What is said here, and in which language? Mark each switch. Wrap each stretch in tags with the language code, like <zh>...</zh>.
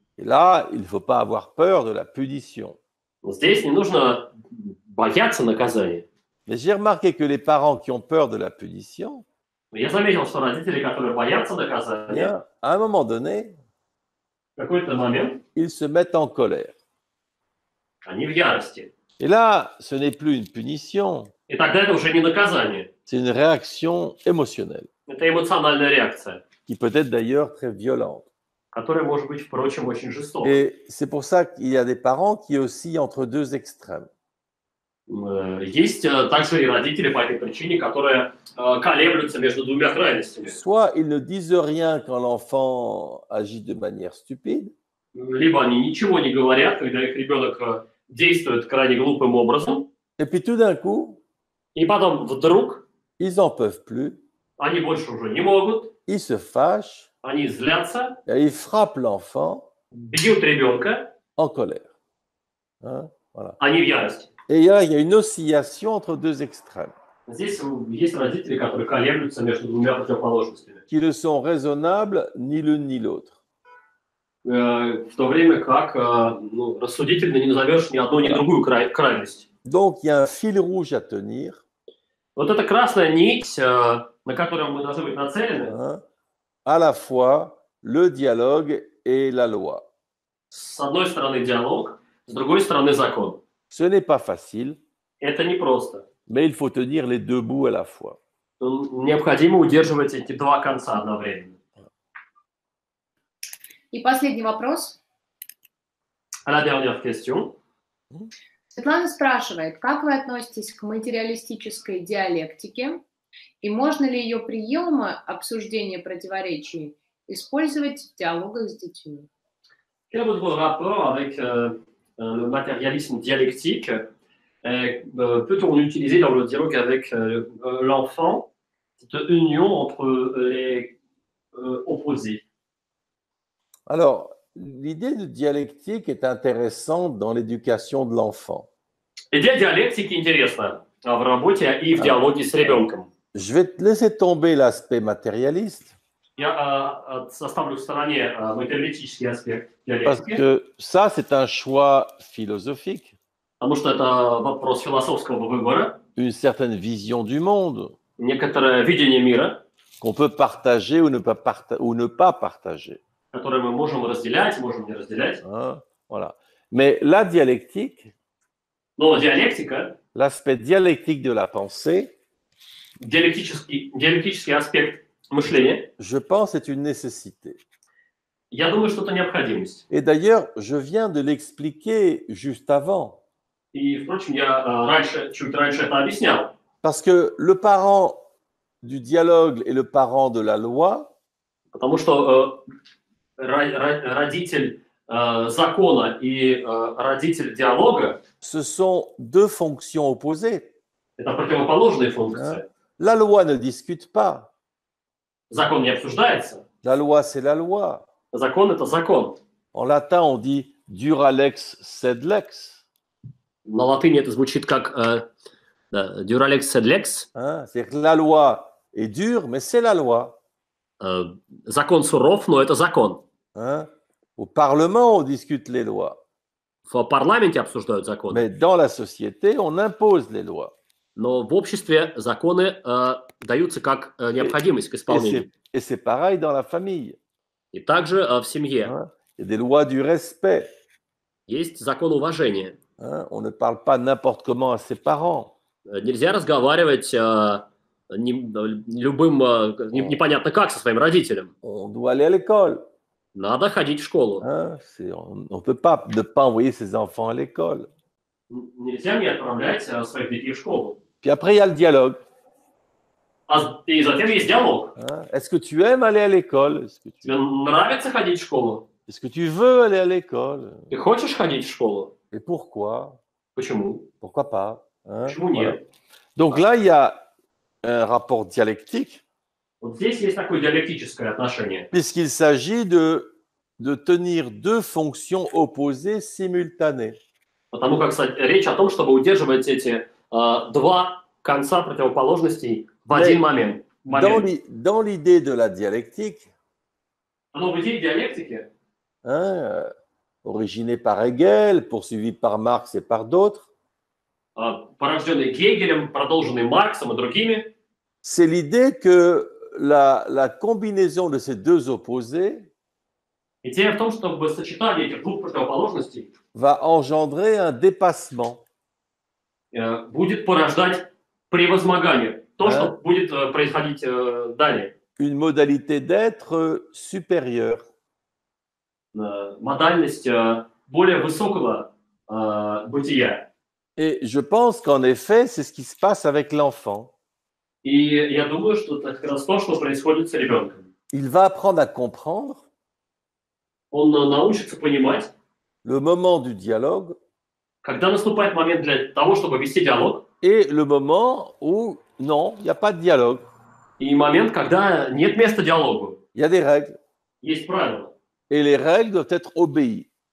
<fr>Et là, il ne faut pas avoir peur de la punition.</fr> <ru>Здесь не нужно бояться наказания.</ru> <fr>Mais j'ai remarqué que les parents qui ont peur de la punition,</fr> <ru>я заметил, что родители, которые боятся наказания,</ru> <fr>bien, à un moment donné,</fr> <ru>в какой-то момент,</ru> <fr>ils se mettent en colère.</fr> <ru>Они в ярости.</ru> <fr>Et là, ce n'est plus une punition. Et</fr> <ru>тогда это уже не наказание.</ru> <fr>C'est une réaction émotionnelle.</fr> <ru>Это эмоциональная реакция.</ru> <fr>Qui peut être d'ailleurs très violente.</fr> <ru>Которая может быть, впрочем, очень жестокой.</ru> <fr>Et c'est pour ça qu'il y a des parents qui oscillent entre deux extrêmes.</fr> <ru>Есть также и родители по этой причине, которые колеблются между двумя крайностями.</ru> <fr>Soit ils ne disent rien quand l'enfant agit de manière stupide.</fr> <ru>Либо они ничего не говорят, когда их ребенок действует крайне глупым образом.</ru> <fr>Et puis tout d'un coup,</fr> <ru>и потом вдруг,</ru> <fr>ils en peuvent plus.</fr> <ru>Они больше уже не могут.</ru> <fr>Ils se fâchent.</fr> <ru>Они злятся.</ru> <fr>Et ils frappent l'enfant.</fr> <ru>Бьют ребенка.</ru> <fr>En colère. Hein? Voilà.</fr> <ru>Они в ярости.</ru> <fr>Et là, il y a une oscillation entre deux extrêmes.</fr> <ru>Здесь есть родители, которые колеблются между двумя противоположностями.</ru> <fr>Qui ne sont raisonnables</fr> <ru>ни</ru> <fr>l'un ни l'autre.</fr> <ru>В то время как рассудительно не назовешь ни одну, ни другую крайность.</ru> <fr>Donc, il y a un fil rouge à tenir.</fr> <ru>Вот эта красная нить, на которую мы должны быть нацелены. Hein?</ru> <fr>À la fois, le dialogue et la loi.</fr> <ru>С одной стороны диалог, с другой стороны закон.</ru> <fr>Ce n'est pas facile.</fr> <ru>Это не просто.</ru> <fr>Mais il faut tenir les deux bouts à la fois.</fr> <ru>Необходимо удерживать эти два конца одновременно. И последний вопрос.</ru> <fr>La dernière question.</fr> <ru>Светлана спрашивает, как вы относитесь к материалистической диалектике и можно ли ее приемы обсуждения противоречий использовать в диалогах с детьми?</ru> <fr>Quel est votre rapport avec le matérialisme dialectique? Peut-on l'utiliser dans le dialogue avec l'enfant, cette union entre les opposés? Alors, l'idée de dialectique est intéressante dans l'éducation de l'enfant.</fr> <ru>Идея диалектики интересна в работе и в диалоге с ребенком.</ru> <fr>Je vais te laisser tomber l'aspect matérialiste.</fr> <ru>Я оставлю в стороне материалистический аспект диалектики.</ru> <fr>Parce que ça, c'est un choix philosophique.</fr> <ru>Потому что это вопрос философского выбора.</ru> <fr>Une certaine vision du monde.</fr> <ru>Некоторое видение мира.</ru> <fr>Qu'on peut partager ou ne pas partager.</fr> <ru>Которое мы можем разделять, можем не разделять.</ru> <fr>Hein? Voilà. Mais la dialectique...</fr> <ru>Но диалектика,</ru> <fr>l'aspect dialectique de la pensée,</fr> <ru>диалектический аспект мышления,</ru> <fr>je pense, est une nécessité.</fr> <ru>Я думаю, что это необходимость.</ru> <fr>Et d'ailleurs, je viens de l'expliquer juste avant.</fr> <ru>И, впрочем, я чуть раньше это объяснял.</ru> <fr>Parce que le parent du dialogue est le parent de la loi.</fr> <ru>Потому что родитель закона и родитель диалога.</ru> <fr>Ce sont deux fonctions opposées.</fr> <ru>Это противоположные функции.</ru> <fr>La loi ne discute pas.</fr> <ru>Закон не обсуждается.</ru> <fr>La loi, c'est la loi.</fr> <ru>Закон это закон.</ru> <fr>En latin, on dit</fr> <la>dura lex sed lex.</la> <ru>На латыни это звучит как</ru> <la>dura lex sed lex. Hein?</la> <fr>C'est-à-dire que la loi est dure, mais c'est la loi.</fr> <ru>Закон суров, но это закон. Hein?</ru> <fr>Au Parlement, on discute les lois.</fr> <ru>В парламенте обсуждают законы.</ru> <fr>Mais dans la société, on impose les lois.</fr> <ru>Но в обществе законы даются как необходимость к исполнению.</ru> <fr>Et c'est pareil dans la famille.</fr> <ru>И также в семье. Hein?</ru> <fr>Il y a des lois du respect.</fr> <ru>Есть закон уважения. Hein?</ru> <fr>On ne parle pas n'importe comment à ses parents.</fr> <ru>Нельзя разговаривать непонятно как со своим родителем.</ru> <fr>On doit aller à l'école.</fr> <ru>Надо ходить в школу. Hein?</ru> <fr>On peut pas ne pas envoyer ses enfants à l'école.</fr> <ru>Нельзя не отправлять своих детей в школу.</ru> <fr>Puis après, il y a le dialogue. Et</fr> <ru>затем есть диалог. Hein?</ru> <fr>Est-ce que tu aimes aller à l'école? Est-ce que</fr> <ru>тебе нравится ходить в школу?</ru> <fr>Est-ce que tu veux aller à l'école?</fr> <ru>Ты хочешь ходить в школу?</ru> <fr>Et pourquoi?</fr> <ru>Почему?</ru> <fr>Pourquoi pas? Hein?</fr> <ru>Почему нет?</ru> <fr>Voilà. Donc là, il y a un rapport dialectique.</fr> <ru>Вот здесь есть такое диалектическое отношение.</ru> <fr>Puisqu'il s'agit de tenir deux fonctions opposées simultanées.</fr> <ru>Потому как речь о том, чтобы удерживать эти два конца противоположностей в один момент.</ru> <fr>Dans l'idée de la dialectique. Dans l'idée dialectique. Hein, originé par Hegel, poursuivi par Marx et par d'autres.</fr> <ru>Порожденный Гегелем, продолженный Марксом и другими.</ru> <fr>C'est l'idée que la combinaison de ces deux opposés.</fr> <ru>Идея в том, чтобы сочетание этих двух противоположностей.</ru> <fr>Va engendrer un dépassement.</fr> <ru>Будет порождать превозмогание. То, hein? Что будет происходить далее.</ru> <fr>Une modalité d'être supérieure.</fr> <ru>Модальность более высокого бытия.</ru> <fr>Et je pense qu'en effet, c'est ce qui se passe avec l'enfant.</fr> <ru>И я думаю, что это как раз то, что происходит с ребенком.</ru> <fr>Il va apprendre à comprendre.</fr> <ru>Он научится понимать.</ru> <fr>Le moment du dialogue.</fr> <ru>Когда наступает момент для того, чтобы вести диалог.</ru> <fr>Et le moment où, non, il n'y a pas de dialogue.</fr> <ru>И момент, когда нет места диалогу.</ru> <fr>Il y a des règles.</fr> <ru>Есть правила.</ru> <fr>Et les règles doivent être obéies.</fr>